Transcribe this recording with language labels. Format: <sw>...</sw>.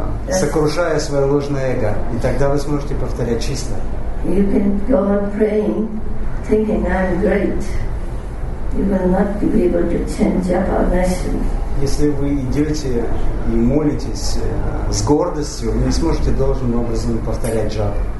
<ru>Сокрушая свое ложное эго. И тогда вы сможете повторять чисто.</ru> <en>You can go on praying, thinking I'm great. You will not be able to chant Japa Nation.</en> <ru>Если вы идете и молитесь с гордостью, вы не сможете должным образом повторять джапу.</ru>